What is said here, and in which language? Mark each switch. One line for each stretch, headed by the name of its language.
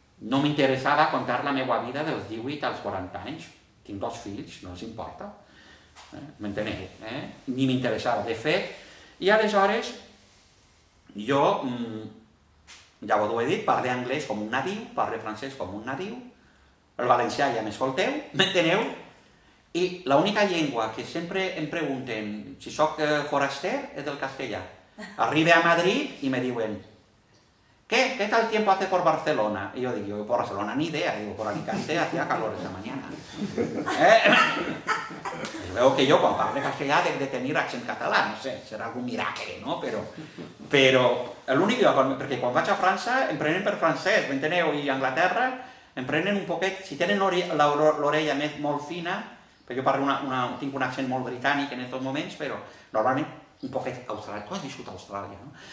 Catalan: No m'interessava contar la meva vida dels 18 als 40 anys, tinc dos fills, no els importa, m'enteneu, ni m'interessava, de fet, i aleshores jo, ja ho he dit, parlé anglès com un nadiu, parlé francès com un nadiu, el valencià ja m'escolteu, m'enteneu, i l'única llengua que sempre em pregunten si sóc foraster és el castellà. Arribe a Madrid i me diuen,
Spanish: ¿qué tal tiempo hace por Barcelona? Y yo digo, por Barcelona ni idea, digo, por Alicante hacía calor esa mañana. Y veo que yo, cuando hablo castellano, debo de tener accent catalán, no sé, será algún miracle, ¿no? Pero el único, porque cuando
Catalan: vaig a França, em prenen per francès, ¿me enteneu? Y a Anglaterra, em prenen un poquet,
Spanish: si tienen
Catalan: l'orella més molt fina, perquè jo parlo tinc un accent molt britànic en aquests moments, però normalment un poquet australià, tu has viscut a Austràlia, no?